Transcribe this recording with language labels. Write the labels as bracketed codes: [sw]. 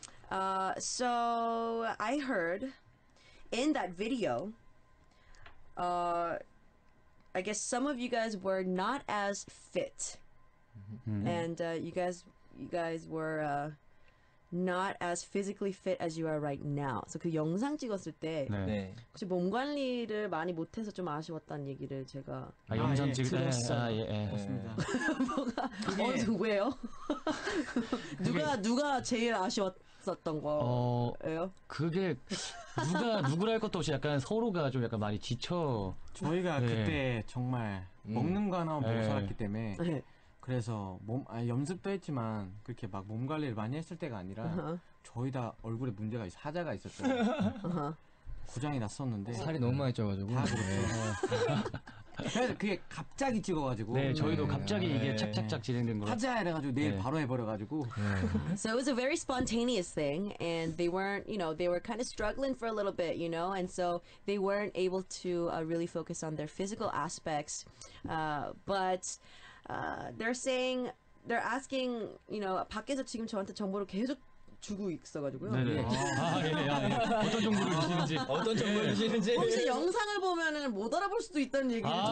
[en] So I heard in that video, I guess some of you guys were not as fit, and you guys were not as physically fit as you are right now. [ko] So 그 영상 찍었을 때 혹시 몸 관리를 많이 못해서 좀 아쉬웠다는 얘기를 제가 영상 찍을 때 맞습니다. 뭐가 왜요? 누가 제일 아쉬웠었던 거예요? 그게 누구라 할 것도 없이 약간 서로가 좀 약간 많이 지쳐 저희가 그때 정말 먹는 거 하나 못 살았기 때문에 그래서 연습도 했지만 그렇게 막 몸 관리를 많이 했을 때가 아니라 저희 다 얼굴에 문제가 사자가 있었어요. 고장이 났었는데 살이 너무 많이 쪄가지고 다 그렇죠. 그래서 그게 갑자기 찍어가지고 네 저희도 갑자기 이게 착착착 진행된 거 하자 해가지고 내일 바로 해버려가지고 [en] So it was a very spontaneous thing and they weren't you know they were kind of struggling for a little bit you know and so they weren't able to really focus on their physical aspects but they're saying they're asking you know [ko] 밖에서 지금 저한테 정보를 계속 주고 있어가지고요. 네네. 아, 예, 예, 예. 어떤 정보를 주시는지. 어떤 정보를 주시는지. 혹시 영상을 보면은 못 알아볼 수도 있다는 얘기를